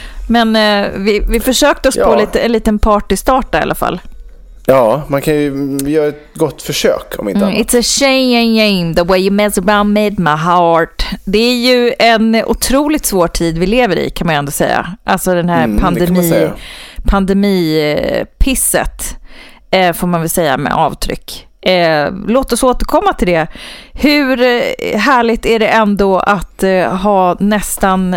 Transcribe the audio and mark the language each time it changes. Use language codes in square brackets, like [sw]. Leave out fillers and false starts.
[sv] Men vi försökte oss på lite, en liten partystart i alla fall. Ja, man kan ju göra ett gott försök om inte annat. [en] It's a shame and game, the way you mess around made my heart. [sv] Det är ju en otroligt svår tid vi lever i, kan man ändå säga. Alltså den här pandemipisset, får man väl säga, med avtryck. Låt oss återkomma till det. Hur härligt är det ändå att ha nästan...